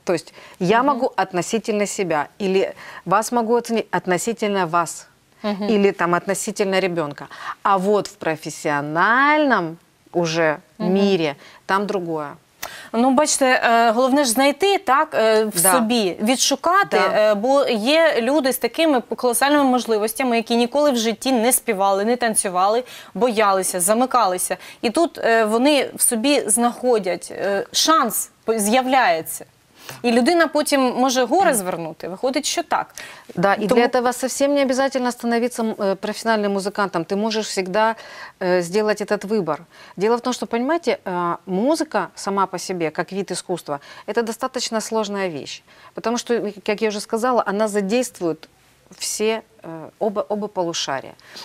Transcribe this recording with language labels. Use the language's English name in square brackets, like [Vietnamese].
[Russian] То есть я могу относительно себя, или вас могу оценить относительно вас. Или там относительно ребенка. А вот в профессиональном уже мире там другое. [Ukrainian] Ну, бачите, головне ж знайти, так, в собі, відшукати, бо є люди з такими колосальними можливостями, які ніколи в житті не співали, не танцювали, боялися, замикалися. І тут вони в собі знаходять, шанс з'являється. И людина потім може гори звернути. Виходить, що так. [Russian] Да, і для этого совсем не обязательно становиться профессиональным музыкантом. Ты можешь всегда сделать этот выбор. Дело в том, что, понимаете, музыка сама по себе, как вид искусства, это достаточно сложная вещь. Потому что, как я уже сказала, она задействует все, оба полушария.